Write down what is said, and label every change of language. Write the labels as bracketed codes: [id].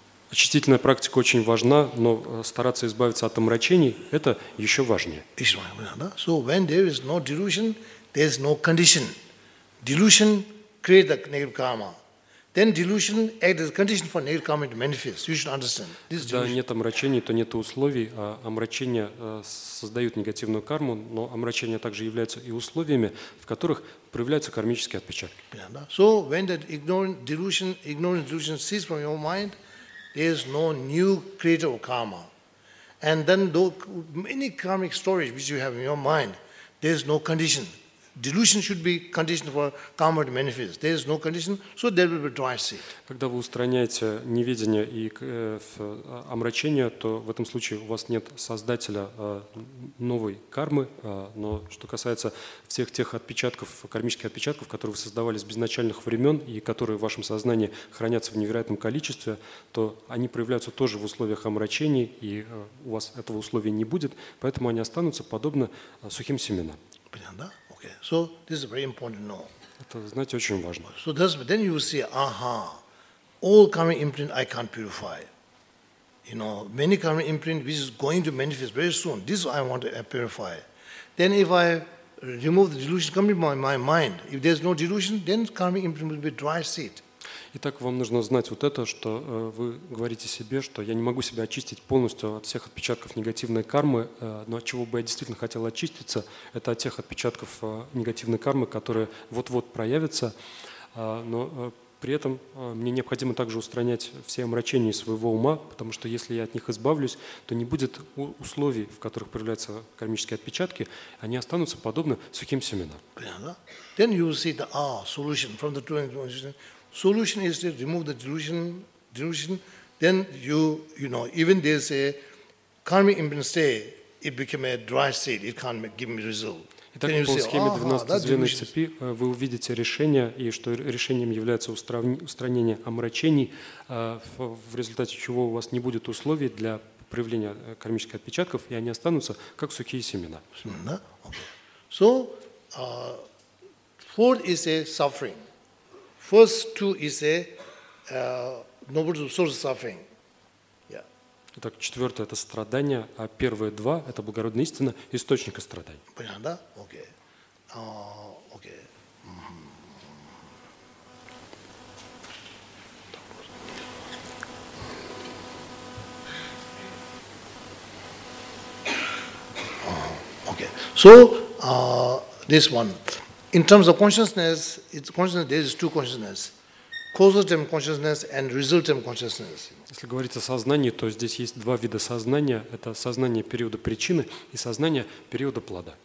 [ru] Очистительная практика очень важна, но стараться избавиться от омрачений – это еще важнее. [en] So when there is no delusion, there is no condition. Delusion creates the negative karma. Then delusion acts as a condition for negative karma to manifest. You should understand. [ru] Когда нет омрачений, то нет условий, а омрачения создают негативную карму, но омрачения также являются и условиями, в которых проявляются кармические отпечатки. [en] So when that ignorant delusion ceases from your mind, there is no new creator of karma. And then any karmic stories which you have in your mind, there is no condition. Delusion should be conditioned for karma to manifest. There is no condition, so there will be dry seed. [ru] Когда вы устраняете неведение и омрачение, то в этом случае у вас нет создателя новой кармы. Но что касается всех тех отпечатков, кармических отпечатков, которые вы создавали с безначальных времен и которые в вашем сознании хранятся в невероятном количестве, то они проявляются тоже в условиях омрачений, и у вас этого условия не будет, поэтому они останутся подобно сухим семенам. Понятно, да? [en] So this is very important to know. [ru] Это знать очень важно. [en] So then you will see, all karmic imprint I can't purify. You know, many karmic imprint which is going to manifest very soon. This I want to purify. Then if I remove the delusion coming from my mind, if there's no delusion, then karmic imprint will be dry seed. [ru] Итак, вам нужно знать вот это, что вы говорите себе, что я не могу себя очистить полностью от всех отпечатков негативной кармы, но от чего бы я действительно хотел очиститься, это от тех отпечатков негативной кармы, которые вот-вот проявятся, но при этом мне необходимо также устранять все омрачения своего ума, потому что если я от них избавлюсь, то не будет условий, в которых проявляются кармические отпечатки, они останутся подобны сухим семенам. [en] Then you see the solution from the delusion. Solution is to remove the delusion. Then you know, even they say karmic imprint stay, it became a dry seed, it can't give me result. [ru] Итак, по схеме 12-звенной цепи вы увидите решение, и что решением является устранение омрачений, в результате чего у вас не будет условий для проявления кармических отпечатков, и они останутся как сухие семена. [en] So, fourth is a suffering. First two is a noble source of suffering. [ru] Итак, четвертое – это страдание, а первые два – это благородная истина, источник страданий. Понятно, да? Окей. [en] Окей. So, this one. In terms of consciousness, there is two consciousness. Causal-term consciousness and result-term consciousness. [ru] Если говорить о сознании, то здесь есть два вида сознания. Это сознание периода причины и сознание периода плода.